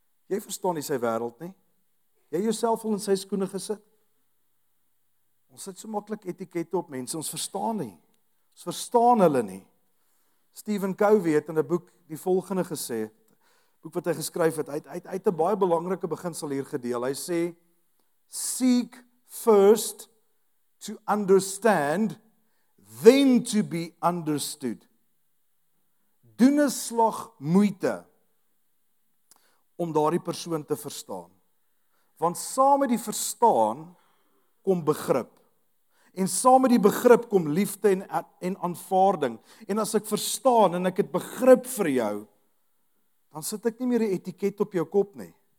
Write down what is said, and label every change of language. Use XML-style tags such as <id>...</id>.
<af>Jy verstaan nie sy wêreld nie. Jy jouself al in sy skoene gesit. Ons sit so maklik etikette op mense, ons verstaan nie. Ons verstaan hulle nie. Stephen Covey het in 'n boek die volgende gesê, boek wat hy geskryf het, hy het 'n baie belangrike beginsel hier gedeel. Hy sê,</af> <en>seek first to understand, then to be understood.</en> <af>Doen 'n slag moeite om daardie persoon te verstaan. Want saam met die verstaan kom begrip. En saam met die begrip kom liefde en aanvaarding. En as ek verstaan en ek het begrip vir jou, dan sit ek nie meer 'n etiket op jou kop nie.</af>